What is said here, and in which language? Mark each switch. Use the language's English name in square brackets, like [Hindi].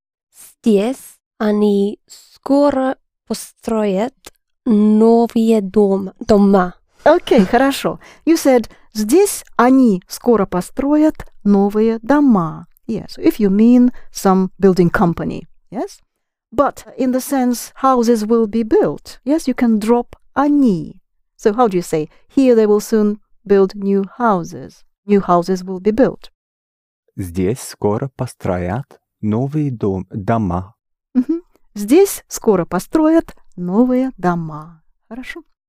[Russian] Здесь они скоро построят новые дома. Okay, хорошо. [English] You said, [Russian] здесь они скоро построят новые дома. [English] Yes, if you mean some building company, yes? But in the sense, houses will be built. Yes, you can drop они. So how do you say, here they will soon build new houses. New houses will be built. [Russian] Здесь скоро построят новые дома. Здесь скоро построят новые дома. Хорошо.